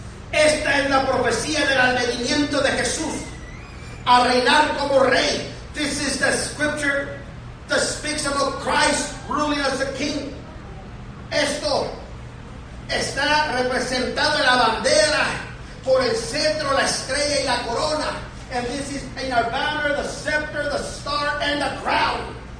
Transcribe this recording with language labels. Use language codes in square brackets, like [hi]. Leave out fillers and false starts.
[es] Esta es la profecía del advenimiento de Jesús a reinar como rey. [en] This is the scripture that speaks about Christ ruling as the king. [es] Esto está representado en la bandera por el cetro, la estrella y la corona. [en] And this is in our banner, the scepter, the star, and the crown.